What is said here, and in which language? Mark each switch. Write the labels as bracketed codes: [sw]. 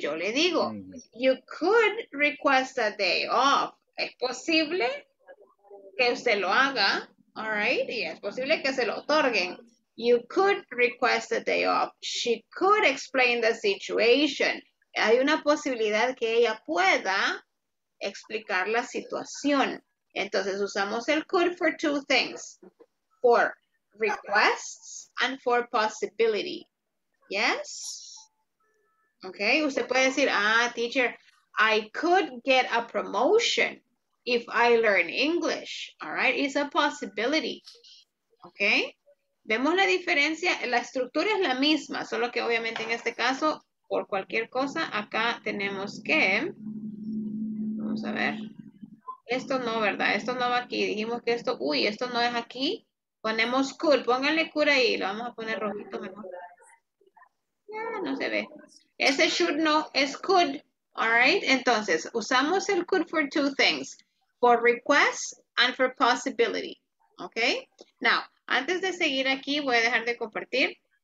[es] Yo le digo, [en] you could request a day off. [es] Es posible que usted lo haga, [en] all right? [es] Y es posible que se lo otorguen. [en] You could request a day off. She could explain the situation. [es] Hay una posibilidad que ella pueda explicar la situación. Entonces usamos el [en] could for two things. For requests and for possibility. Yes? Okay, [es] usted puede decir, [en] ah, teacher, I could get a promotion if I learn English. All right, it's a possibility. Okay? [es] Vemos la diferencia, la estructura es la misma, solo que obviamente en este caso, por cualquier cosa, acá tenemos que, vamos a ver, esto no, ¿verdad? Esto no va aquí, dijimos que esto, uy, esto no es aquí, ponemos cool, pónganle cool ahí, lo vamos a poner rojito mejor. Ya, no se ve. Ese should no, es could, [en] all right? [es] Entonces, usamos el [en] could for two things, for request and for possibility, okay? [es] Now, antes de seguir aquí, voy a dejar de compartir.